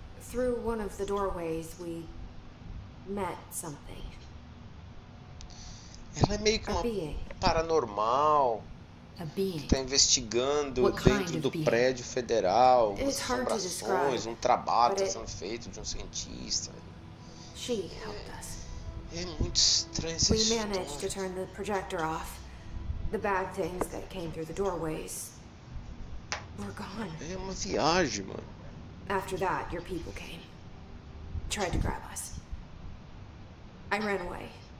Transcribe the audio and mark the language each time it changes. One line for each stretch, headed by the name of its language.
English: Through one of the doorways, we met something.
Portuguese: Ela é meio que uma paranormal. Que tá investigando dentro do prédio federal, umas assombrações, um trabalho que tá sendo feito de um cientista.
English: She helped us.
Portuguese: É muito estranho essa história.
English: We managed to turn the projector off. The bad things that came through the doorways were gone.
Portuguese: É uma viagem, mano.
English: After that, your people came. Tried to grab us. I ran away.